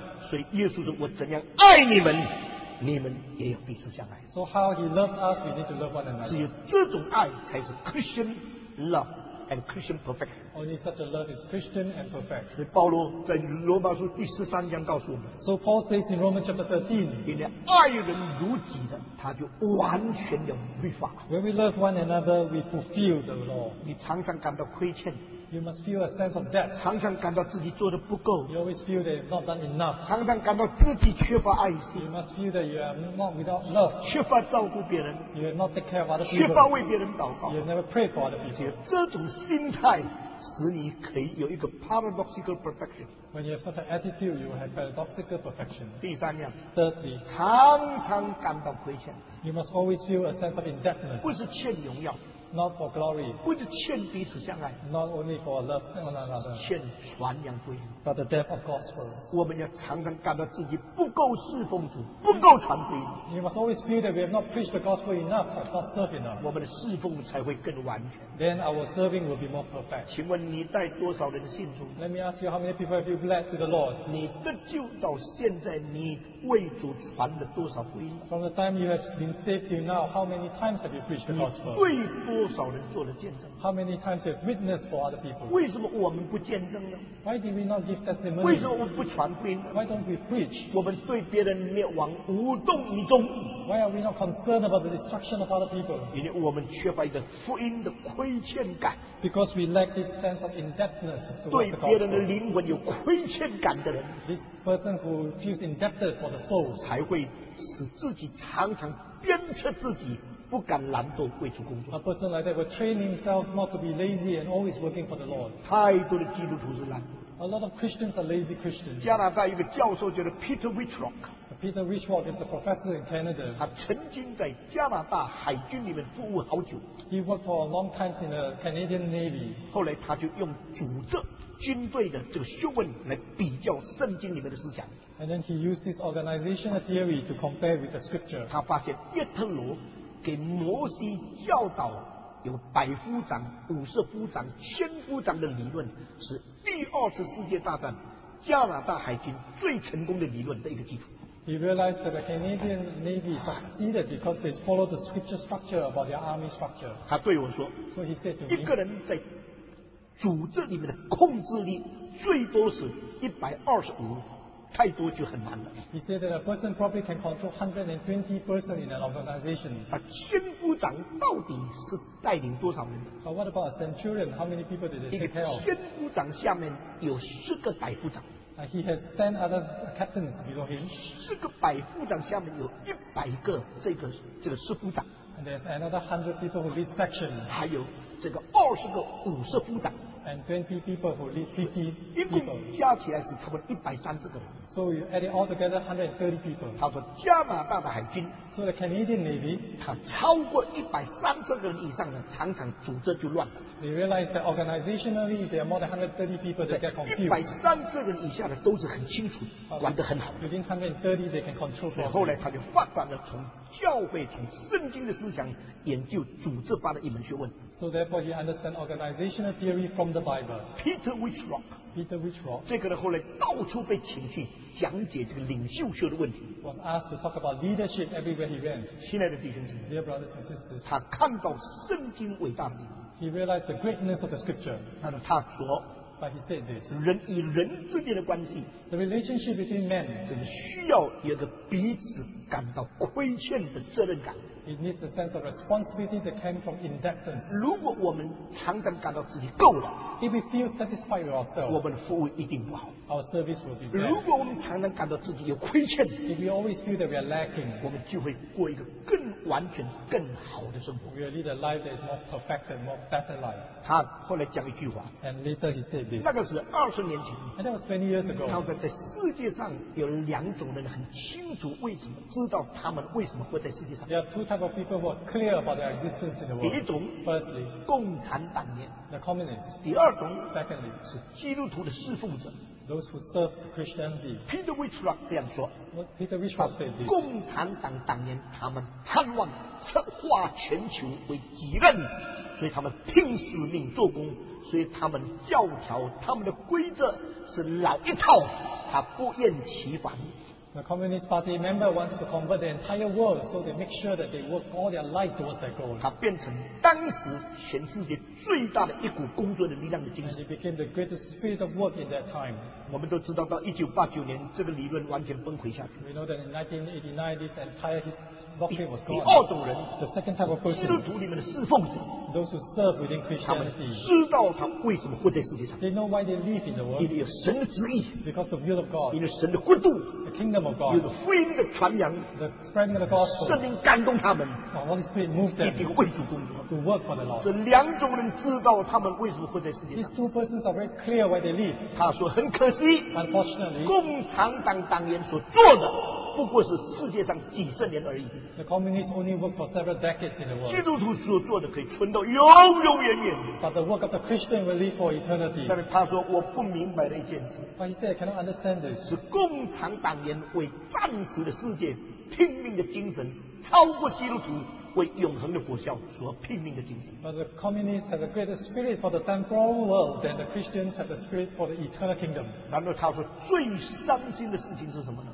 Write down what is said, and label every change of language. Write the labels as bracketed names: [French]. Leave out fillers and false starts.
[Chinese] 所以耶稣说，我怎样爱你们，你们也要彼此相爱。 [English] So how He loves us, we need to love one another. [Chinese] 只有这种爱才是 [English] Christian love. And Christian perfect. Only such a love is Christian and perfect. [Chinese] 所以保罗在罗马书第十三章告诉我们。 [English] So Paul says in Romans chapter 13, [Chinese] 因为爱人如己的，他就完全的律法。 [English] When we love one another, we fulfill the law. [Chinese] 你常常感到亏欠。 [English] You must feel a sense of debt. [Chinese] 常常感到自己做的不够。 [English] You always feel that it's not done enough. [Chinese] 常常感到自己缺乏爱心。 [English] You must feel that you are not without love. [Chinese] 缺乏照顾别人。 [English] You have not taken care of other people. [Chinese] 缺乏为别人祷告。 [English] You have never prayed for other people. [Chinese] 这种心态使你可以有一个 [English] paradoxical perfection. When you have such an attitude, you will have paradoxical perfection. [Chinese] 第三样。 [English] Thirdly, [Chinese] 常常感到亏欠。 [English] You must always feel a sense of indebtedness. [Chinese] 不是欠荣耀。 [English] Not for glory. [Chinese] 不是欠彼此相爱。 [English] Not only for love one another. [Chinese] 欠传扬福音。 [English] But the death of gospel. [Chinese] 我们要常常感到自己不够侍奉主，不够传福音。 [English] You must always feel that we have not preached the gospel enough, or not served enough. [Chinese] 我们的侍奉才会更完全。 [English] Then our serving will be more perfect. [Chinese] 请问你带多少人信主？ [English] Let me ask you how many people have you led to the Lord? [Chinese] 你得救到现在，你为主传了多少福音？ [English] From the time you have been saved till now, how many times have you preached the gospel? [Chinese] 为主多少人做了见证？ [English] How many times have witnessed for other people? [Chinese] 为什么我们不见证呢？ [English] Why did we not give testimony? [Chinese] 为什么我们不传福音？ [English] Why don't we preach? [Chinese] 我们对别人灭亡无动于衷。 [English] Why are we not concerned about the destruction of other people? [Chinese] 因为我们缺乏一个福音的亏欠感。 [English] Because we lack this sense of indebtedness towards the gospel. [Chinese] 对别人的灵魂有亏欠感的人， [English] This person who feels indebted for the soul [Chinese] 才会使自己常常鞭策自己，不敢懒惰为主工作。 [English] A person like that will train himself not to be lazy and always working for the Lord. [Chinese] 太多的基督徒是懒惰。 [English] A lot of Christians are lazy Christians. [Chinese] 加拿大一个教授叫做 Peter Whitlock. [English] Peter Whitlock is a professor in Canada. [Chinese] 他曾经在加拿大海军里面服务好久。 [English] He worked for a long time in the Canadian Navy. [Chinese] 后来他就用组织军队的这个学问来比较圣经里面的思想。 [English] And then he used this organizational theory to compare with the scripture. [Chinese] 他发现叶特罗给摩西教导有百夫长、五十夫长、千夫长的理论，是第二次世界大战加拿大海军最成功的理论的一个基础。 [English] He realized that the Canadian Navy succeeded because they followed the scripture structure about their army structure. [Chinese] 他对我说， [English] so he said to me, [Chinese] 一个人在组织里面的控制力最多是125。太多就很难了。 [English] He said that a person probably can control 120 person in an organization. [Chinese] 啊，千夫长到底是带领多少人？ [English] But what about a centurion? How many people did they take care of? [Chinese] 千夫长下面有十个百夫长。 [English] He has 10 other captains below him. [Chinese] 十个百夫长下面有100个这个师夫长。 [English] And there's another 100 people who lead section. [Chinese] 还有这个20个五十夫长。 [English] And 20 people who lead 50 people. [Chinese] 一共加起来是差不多130个人。 [English] So you add it all together, 130 people. [Chinese] 他说加拿大的海军。 [English] So the Canadian Navy. [Chinese] 他超过130个人以上的，常常组织就乱了。 [English] They realize that organizationally there are more than 130 people that get confused. [Chinese] 130个人以下的都是很清楚，管得很好。 [English] Within 130, they can control. [Chinese] 所以后来他就发展了从教会、从圣经的思想研究组织化的一门学问。 [English] So therefore, he understands organizational theory from the Bible. Peter Whitlock. [Chinese] 这个人后来到处被请去讲解这个领袖学的问题。 [English] Was asked to talk about leadership everywhere he went. [Chinese] 亲爱的弟兄姊妹， [English] dear brothers and sisters, [Chinese] 他看到圣经伟大的地方。 [English] He realized the greatness of the scripture. [Chinese] 他说， [English] but he said this. [Chinese] 人与人之间的关系， [English] the relationship between men, [Chinese] 只需要有一个彼此感到亏欠的责任感。 [English] It needs a sense of responsibility that came from indebtedness. [Chinese] 如果我们常常感到自己够了 [English] ，If we feel satisfied with ourselves, [Chinese] 我们的服务一定不好。 [English] Our service will be bad. [Chinese] 如果我们常常感到自己有亏欠 [English] ，If we always feel that we are lacking, [Chinese] 我们就会过一个更完全、更好的生活。 [English] We lead a life that is more perfect and more better life. [Chinese] 他后来讲一句话 [English] ，And later he said this. [Chinese] 那个是二十年前 [English] ，And that was 20 years ago. [Chinese] 他说，在世界上有两种人很清楚为什么知道他们为什么活在世界上。 [English] Yeah, two type of people who are clear about their existence in the world. [Chinese] 第一种, [English] Firstly, [Chinese] 共产党员, [English] the communists. [Chinese] 第二种, [English] Secondly, [Chinese] 是基督徒的侍奉者, [English] those who serve Christianity. [Chinese] Peter Wittrock 这样说, [English] Peter Wittrock said this. [Chinese] 共产党党员, 他们盼望策划全球为己任, 所以他们拼死命做工, 所以他们教条, 他们的规则是老一套, 他不厌其烦。 [English] The Communist Party member wants to convert the entire world, so they make sure that they work all their life towards their goal. [Chinese] 他变成当时全世界最大的一股工作的力量的精神。 [English] And he became the greatest spirit of work in that time. [Chinese] 我们都知道，到1989年，这个理论完全崩溃下去。 [English] We know that in 1989, this entire his doctrine was gone. [Chinese] 第二种人 [English] ，the second type of person, [Chinese] 基督徒里面的侍奉者 [English] ，those who serve within Christianity. [Chinese] 他们知道他为什么活在世界上。 [English] They know why they live in the world. [Chinese] 因为有神的旨意 [English] ，because of the will of God. [Chinese] 因为神的国度。 [English] Kingdom of God, [Chinese] 有福音的传扬，圣灵感动他们，一定为主工作。这两种人知道他们为什么活在世界上。 [English] These two persons are very clear where they live. [Chinese] 他说很可惜 [English] ，Unfortunately, [Chinese] 共产党党员所做的不过是世界上几十年而已。 [English] The communists only work for several decades in the world. [Chinese] 基督徒所做的可以存到永永远远。 [English] But the work of the Christian will live for eternity. [Chinese] 但是他说我不明白的一件事。 [English] But he said I cannot understand this. [Chinese] 是共产党员为暂时的世界拼命的精神，超过基督徒为永恒的国效所拼命的精神。 [English] But the communists have a greater spirit for the temporal world than the Christians have a spirit for the eternal kingdom. [Chinese] 然后他说最伤心的事情是什么呢